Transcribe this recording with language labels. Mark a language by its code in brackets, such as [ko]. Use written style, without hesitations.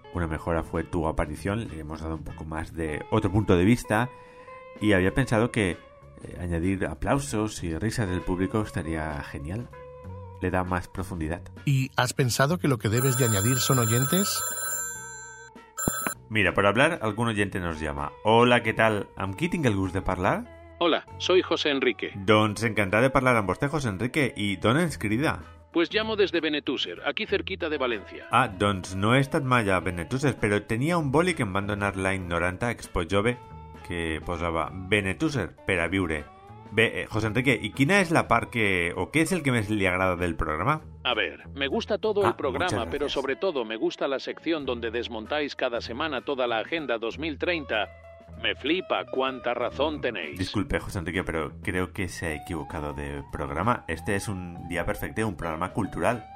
[es] Una mejora fue tu aparición, le hemos dado un poco más de otro punto de vista. Y había pensado que añadir aplausos y risas del público estaría genial. Le da más profundidad. ¿Y has pensado que lo que debes de añadir son oyentes? Mira, per hablar, algun oyente nos llama. [ca] Hola, què tal? Amb qui tinc el gust de parlar? [es] Hola, soy José Enrique. [ca] Doncs encantat de parlar amb vostè, José Enrique. I d'on ens crida? [es] Pues llamo desde Benetúser, aquí cerquita de València. [ca] Ah, doncs no he estat mai a Benetúser, però tenia un boli que em van donar l'any 90, Expo Jove, que posava Benetúser per a viure. Bé, José Enrique, ¿y quina és la part que... o què és el que més li agrada del programa? [es] A ver, me gusta todo el programa, pero sobre todo me gusta la sección donde desmontáis cada semana toda la agenda 2030. Me flipa cuánta razón tenéis. Disculpe, José Enrique, pero creo que se ha equivocado de programa. Este es un día perfecto, un programa cultural.